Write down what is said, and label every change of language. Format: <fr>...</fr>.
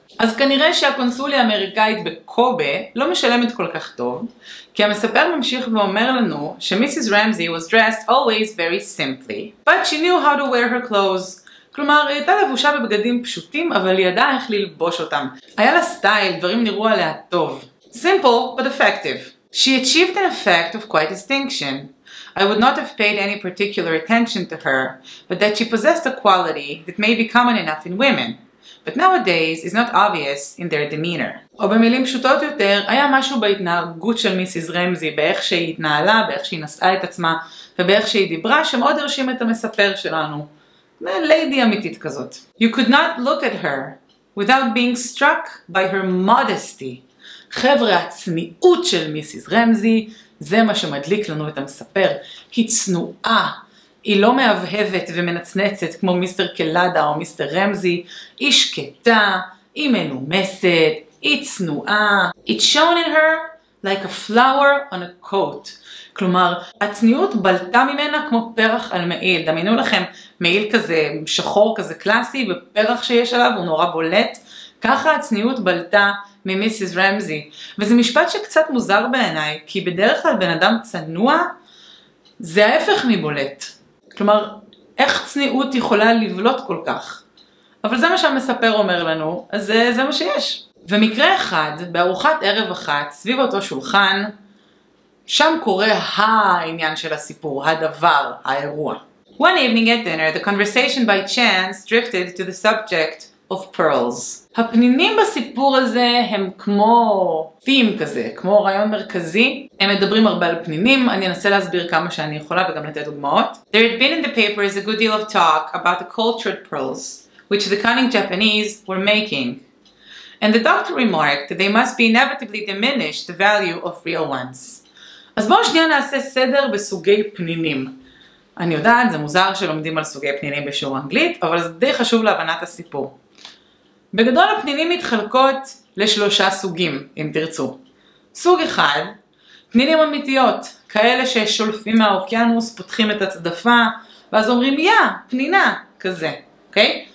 <he>אז כנראה שהקונסוליה האמריקאית בקובה לא משלמת כל כך טוב, כי המספר ממשיך ואומר לנו שמיסיס רמזי</he> <en>was dressed always very simply, but she knew how to wear her clothes.</en> <he>כלומר, היא הייתה לבושה בבגדים פשוטים, אבל היא ידעה איך ללבוש אותם. היה לה סטייל, דברים נראו עליה טוב.</he> <en>Simple but effective. She achieved an effect of quite distinction. I would not have paid any particular attention to her, but that she possessed a quality that may be common enough in women, but nowadays is not obvious in their demeanor.</en> <he>או במילים פשוטות יותר, היה משהו בהתנהגות של מיסיס רמזי, באיך שהיא התנהלה, באיך שהיא נשאה את עצמה, ובאיך שהיא דיברה, שמאוד הרשים את המספר שלנו. לידי אמיתית כזאת.</he> <en>You could not look at her without being struck by her modesty.</en> <he>חבר'ה, הצניעות של מיסיס רמזי, זה מה שמדליק לנו את המספר. היא צנועה. היא לא מהבהבת ומנצנצת כמו מיסטר קלאדה או מיסטר רמזי. היא שקטה, היא מנומסת, היא צנועה.</he> <en>It shone in her like a flower on a coat.</en> <he>כלומר, הצניעות בלטה ממנה כמו פרח על מעיל. דמיינו לכם, מעיל כזה שחור, כזה קלאסי, ופרח שיש עליו הוא נורא בולט. ככה הצניעות בלטה ממיסיס רמזי. וזה משפט שקצת מוזר בעיניי, כי בדרך כלל בן אדם צנוע, זה ההפך מבולט. כלומר, איך צניעות יכולה לבלוט כל כך? אבל זה מה שהמספר אומר לנו, אז זה מה שיש. ומקרה אחד, בארוחת ערב אחת, סביב אותו שולחן, שם קורה העניין של הסיפור, הדבר, האירוע.</he> <en>One evening at dinner, the conversation by chance drifted to the subject of pearls.</en> <he>הפנינים בסיפור הזה הם כמו תים כזה, כמו רעיון מרכזי. הם מדברים הרבה על פנינים, אני אנסה להסביר כמה שאני יכולה וגם לתת דוגמאות.</he> <en>There had been in the papers a good deal of talk about the cultured pearls, which the cunning Japanese were making. And the doctor remarked that they must be inevitably diminished the value of real ones.</en> <he>אז בואו שנייה נעשה סדר בסוגי פנינים. אני יודעת, זה מוזר שלומדים על סוגי פנינים בשיעור אנגלית, אבל זה די חשוב להבנת הסיפור. בגדול הפנינים מתחלקות לשלושה סוגים, אם תרצו. סוג אחד, פנינים אמיתיות, כאלה ששולפים מהאוקיינוס, פותחים את הצדפה, ואז אומרים, יא, פנינה, כזה, אוקיי?</he>